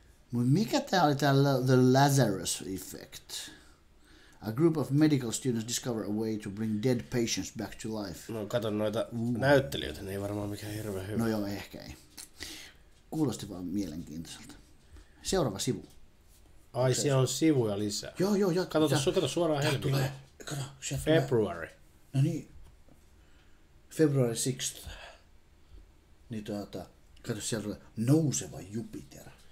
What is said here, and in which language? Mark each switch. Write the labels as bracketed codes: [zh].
[fi] Mut mikä tää oli, tää The Lazarus Effect? [en] A group of medical students discover a way to bring dead patients back to life. [fi] No kato noita näyttelijöitä, niin ei varmaan mikään hirveän hyvä. No joo, ehkä ei. Kuulosti vaan mielenkiintoiselta. Seuraava sivu. Ai, siellä on sivuja lisää. Joo. Kato suoraan helmiin. Kato, chef. [en] February. [fi] No niin. February 6th, niin kato siellä tulee Nouseva Jupiter.